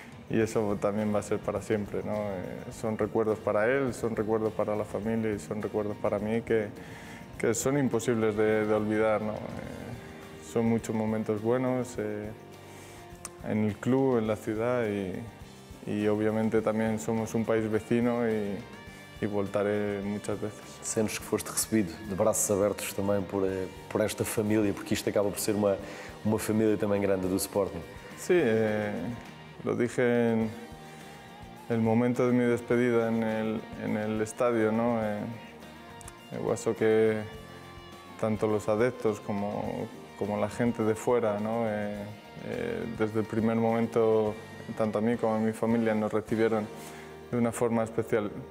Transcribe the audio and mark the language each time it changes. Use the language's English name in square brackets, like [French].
[Spanish] Y eso también va a ser para siempre, ¿no? Son recuerdos para él, son recuerdos para la familia y son recuerdos para mí que son imposibles de olvidar, ¿no? Son muchos momentos buenos en el club, en la ciudad y obviamente también somos un país vecino y voltaré muchas veces. [Portuguese] Sentes que foste recebido de braços abertos também por esta família, porque isto acaba por ser uma família também grande do Sporting. [Spanish] Sim, lo dije en el momento de mi despedida en el estadio, ¿no? [Portuguese] Eu acho que [Spanish] tanto los adeptos como la gente de fuera, ¿no? Desde el primer momento, tanto a mí como a mi familia nos recibieron de una forma especial.